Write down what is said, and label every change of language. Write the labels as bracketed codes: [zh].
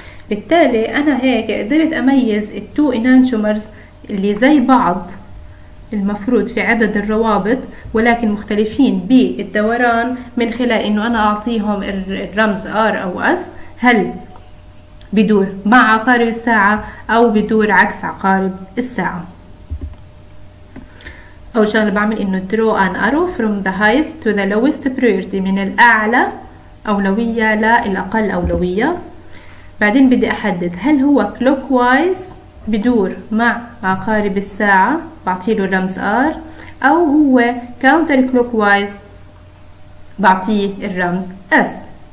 [ar] بالتالي أنا هيك قدرت أميز التو enantiomers اللي زي بعض المفروض في عدد الروابط ولكن مختلفين بالدوران من خلال إنه أنا أعطيهم الرمز R أو S، هل بدور مع عقارب الساعة أو بدور عكس عقارب الساعة. أول شغلة بعمل إنه [en] draw an arrow from the highest to the lowest priority، [ar] من الأعلى أولوية للأقل أولوية. بعدين بدي أحدد هل هو clockwise بدور مع عقارب الساعة، بعطيه له رمز R، أو هو counterclockwise بعطيه الرمز S.